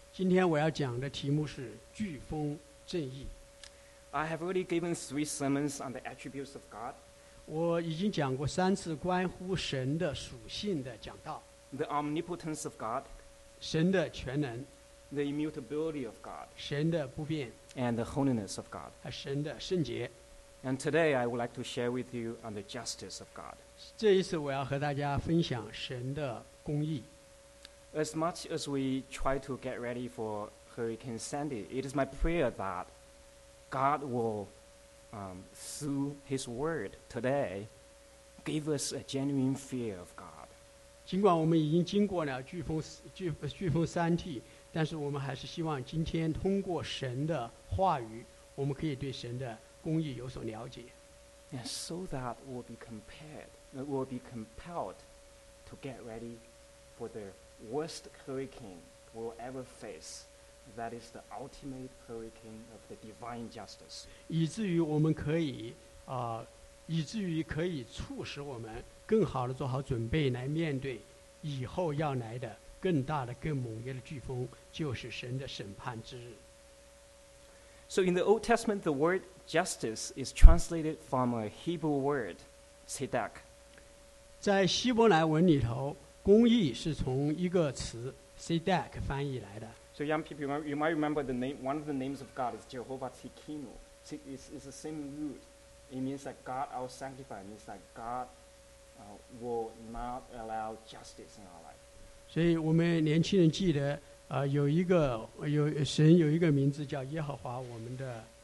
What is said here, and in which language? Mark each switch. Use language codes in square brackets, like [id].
[zh] 今天我要讲的题目是飓风正义。 [en] I have already given 3 sermons on the attributes of God. [zh] 我已经讲过三次关乎神的属性的讲道。 [en] The omnipotence of God. [zh] 神的全能。 [en] The immutability of God. [zh] 神的不变。 [en] And the holiness of God. [zh] 神的圣洁。 [en] And today I would like to share with you on the justice of God. [zh] 这一次我要和大家分享神的公义。 [en] As much as we try to get ready for Hurricane Sandy, it is my prayer that God will, through His Word today, give us a genuine fear of God. [zh] 尽管我们已经经过了飓风三季，但是我们还是希望今天通过神的话语，我们可以对神的公义有所了解。 [en] And so that we'll be compelled to get ready for the worst hurricane we'll ever face. That is the ultimate hurricane of the divine justice. [zh] 以至于我们可以以至于可以促使我们更好的做好准备来面对以后要来的更大的更猛烈的飓风，就是神的审判之日。 [en] So in the Old Testament, the word justice is translated from a Hebrew word, tzedek. [zh] 在希伯来文里头，公义是从一个词 tzedek 翻译来的。 [en] So young people, you might remember the name. One of the names of God is Jehovah Tzidkenu. It's the same root. It means that God our sanctifier. It means that God will not allow justice in our life. [zh] 所以我们年轻人记得。有一个有神有一个名字叫耶和华我们的，